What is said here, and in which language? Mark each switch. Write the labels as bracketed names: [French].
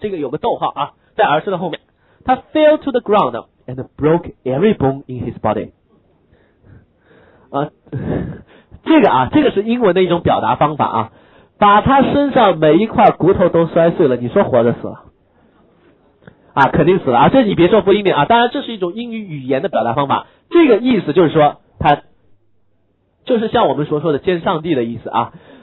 [Chinese] 这个有个逗号啊，在而是的后面。他 [English] fell to the ground and broke every bone in his body。 [Chinese] 啊，这个啊，这个是英文的一种表达方法啊，把他身上每一块骨头都摔碎了，你说活着死了啊？肯定死了啊！这你别说不英明啊，当然这是一种英语语言的表达方法，这个意思就是说他就是像我们所说的见上帝的意思啊。